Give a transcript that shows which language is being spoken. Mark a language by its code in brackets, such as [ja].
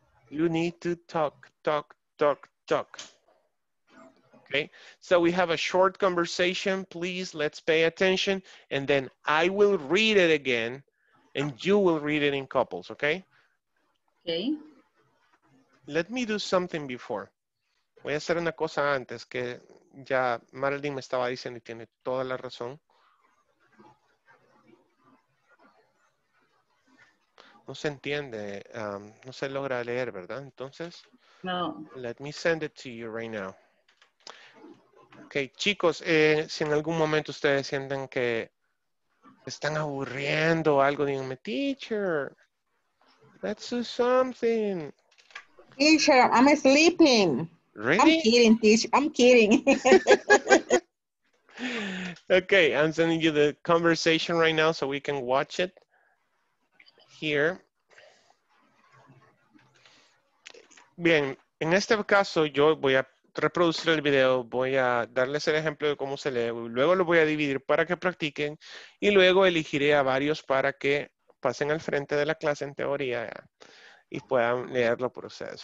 [en] You need to talk. Okay, so we have a short conversation. Please, let's pay attention. And then I will read it again and you will read it in couples, okay? Okay. Let me do something before. [es] Voy a hacer una cosa antes que ya Marilyn me estaba diciendo y tiene toda la razón. No se entiende, no se logra leer, ¿verdad? Entonces, no. [en] Let me send it to you right now. [es] Ok, chicos, si en algún momento ustedes sienten que están aburriendo o algo, díganme, teacher, [en] let's do something. Teacher, I'm sleeping. Really? I'm kidding. Ok, I'm sending you the conversation right now so we can watch it here. [es] Bien, en este caso yo voy a reproducir el video, voy a darles el ejemplo de cómo se lee, luego lo voy a dividir para que practiquen y luego elegiré a varios para que pasen al frente de la clase en teoría y puedan leerlo por ustedes.